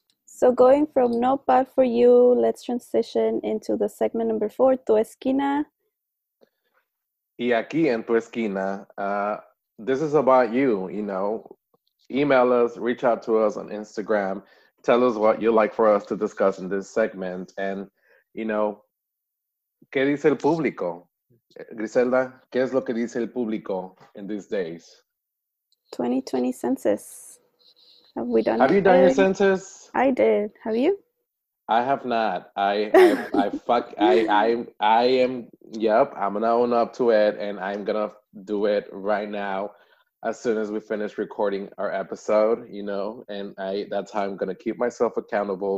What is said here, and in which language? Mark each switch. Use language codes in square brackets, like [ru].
[en] So going from nopal for you, let's transition into the segment number 4, Tu Esquina. [es] Y aquí en [en] Tu Esquina, this is about you, you know. Email us, reach out to us on Instagram. Tell us what you'd like for us to discuss in this segment. And, you know, [es] ¿qué dice el público? Griselda, ¿qué es lo que dice el público [en] in these days? 2020 census. Have we done it? Have you done your census? I did. Have you? I have not. I'm going to own up to it, and I'm going to do it right now. As soon as we finish recording our episode, you know, and that's how I'm going to keep myself accountable.